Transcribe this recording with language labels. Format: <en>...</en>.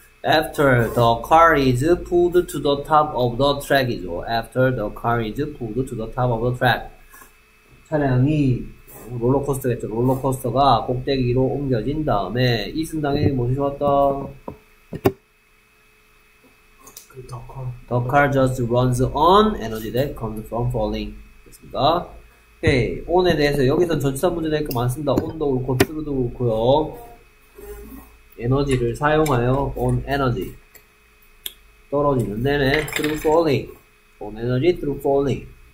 <en>After the car is pulled to the top of the track이죠. After the car is pulled to the top of the track.</en> <ko>차량이 롤러코스터겠죠. 롤러코스터가 꼭대기로 옮겨진 다음에 이 순간에 뭐지 왔다?</ko> <en>The car just runs on energy that comes from falling.</en> <ko>됐습니다. 오케이. on에 대해서 여기서 전치사 문제 될 거 많습니다. on도 그렇고 through도 그렇고요. 에너지를 사용하여 on energy 떨어지는 내내</ko> <en>through falling on energy through falling.</en>